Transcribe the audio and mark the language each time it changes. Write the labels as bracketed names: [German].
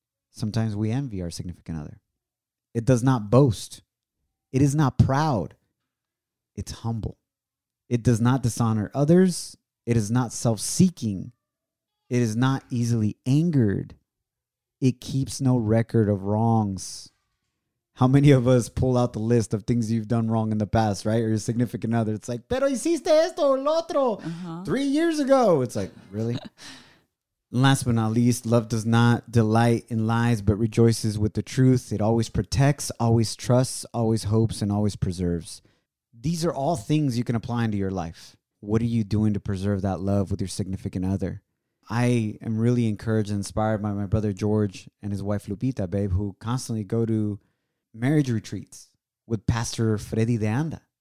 [English] Sometimes we envy our significant other. It does not boast, it is not proud, it's humble. It does not dishonor others, it is not self-seeking, it is not easily angered. It keeps no record of wrongs. How many of us pull out the list of things you've done wrong in the past, right? Or your significant other. It's like, [Spanish] pero hiciste esto o lo otro [English] 3 years ago. It's like, really? Last but not least, love does not delight in lies, but rejoices with the truth. It always protects, always trusts, always hopes, and always preserves. These are all things you can apply into your life. What are you doing to preserve that love with your significant other? I am really encouraged and inspired by my brother George and his wife Lupita, babe, who constantly go to marriage retreats with Pastor Freddy De Anda.